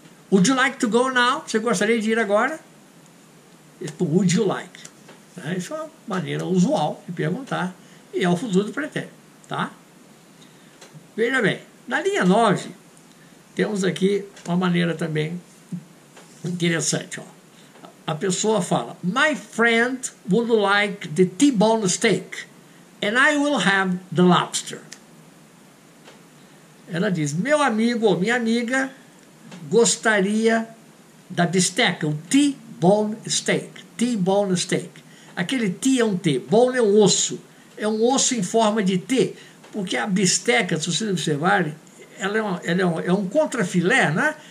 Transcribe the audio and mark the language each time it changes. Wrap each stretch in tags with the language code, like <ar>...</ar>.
<en>Would you like to go now?</en> <pt>Você gostaria de ir agora?</pt> <en>Would you like? Né?</en> <pt>Isso é uma maneira usual de perguntar. E é o futuro do pretérito. Tá? Veja bem. Na linha 9, temos aqui uma maneira também interessante, ó. A pessoa fala,</pt> <en>my friend would like the T-bone steak and I will have the lobster.</en> <pt>Ela diz, meu amigo ou minha amiga gostaria da bisteca, o T-bone steak. T-bone steak. Aquele T é um T, bone é um osso. É um osso em forma de T. Porque a bisteca, se vocês observarem, ela é um contrafilé, né?</pt>